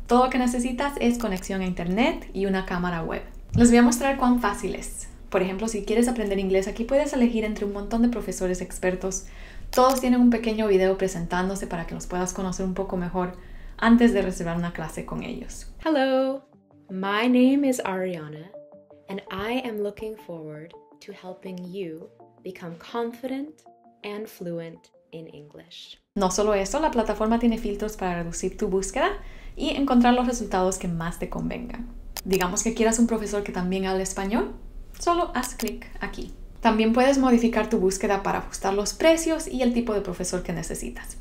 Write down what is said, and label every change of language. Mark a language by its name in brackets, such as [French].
[Spanish] Todo lo que necesitas es conexión a internet y una cámara web. Les voy a mostrar cuán fácil es. Por ejemplo, si quieres aprender inglés, aquí puedes elegir entre un montón de profesores expertos. Todos tienen un pequeño video presentándose para que los puedas conocer un poco mejor antes de reservar una clase con ellos. [English] Hello, my name is Ariana, and I am looking forward to helping you become confident and fluent in English. [Spanish] No solo eso, la plataforma tiene filtros para reducir tu búsqueda y encontrar los resultados que más te convengan. Digamos que quieras un profesor que también hable español, solo haz clic aquí. También puedes modificar tu búsqueda para ajustar los precios y el tipo de profesor que necesitas.